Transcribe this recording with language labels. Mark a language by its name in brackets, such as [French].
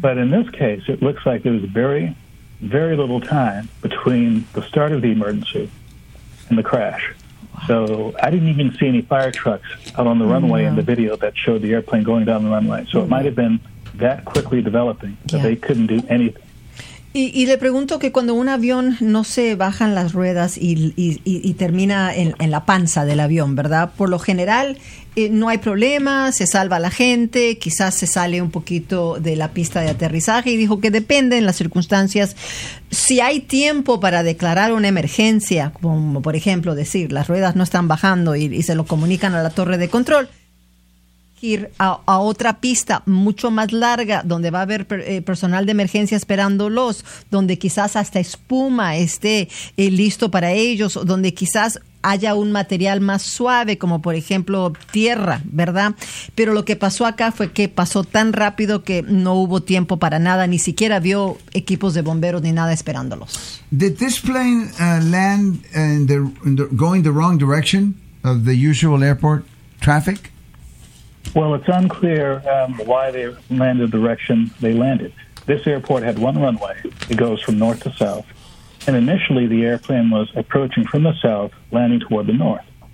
[English] But in this case, it looks like there's very little time between the start of the emergency and the crash. Wow. So I didn't even see any fire trucks out on the runway in the video that showed the airplane going down the runway. So it might have been that quickly developing that they couldn't do anything. [Spanish] Y le pregunto que cuando un avión no se bajan las ruedas y termina en la panza del avión, ¿verdad? Por lo general, no hay problema, se salva la gente, quizás se sale un poquito de la pista de aterrizaje. Y dijo que depende en las circunstancias. Si hay tiempo para declarar una emergencia, como por ejemplo decir las ruedas no están bajando y se lo comunican a la torre de control, ir a otra pista mucho más larga donde va a haber personal de emergencia esperándolos, donde quizás hasta espuma esté listo para ellos, donde quizás haya un material más suave como por ejemplo tierra, ¿verdad? Pero lo que pasó acá fue que pasó tan rápido que no hubo tiempo para nada, ni siquiera vio equipos de bomberos ni nada esperándolos. [English] Did this plane land going the wrong direction of the usual airport traffic? Well, it's unclear why they landed the direction they landed. This airport had one runway. It goes from north to south. And initially, the airplane was approaching from the south, landing toward the north.